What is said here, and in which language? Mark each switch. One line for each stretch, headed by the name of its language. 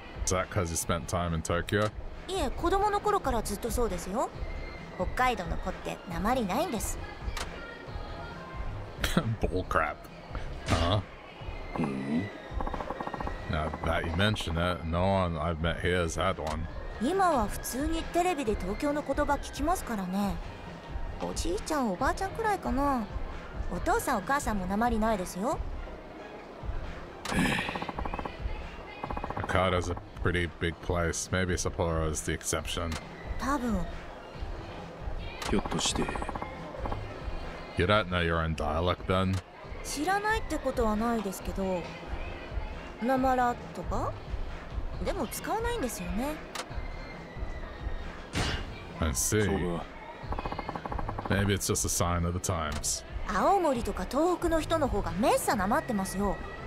English: Is that because you spent time in Tokyo?
Japanese: いえ、子供の頃からずっとそうですよ。北海道の子って訛りないんです。
English: Bullcrap. Huh? Now that you mention it, no one I've met here has had one.
Japanese: 今は普通にテレビで東京の言葉聞きますからね。おじいちゃん、おばあちゃんくらいかな。お父さん、お母さんも訛りないですよ。
English: Hokkaido's a pretty big place. Maybe Sapporo is the exception.
Japanese: 多分。ひょっとして…
English: You don't know your own dialect, then?
Japanese: 知らないってことはないですけど… なまらとか? でも使わないんですよね。
English: I see. Maybe it's just a sign of the times.
Japanese: 青森とか東北の人の方がめっさなまってますよ。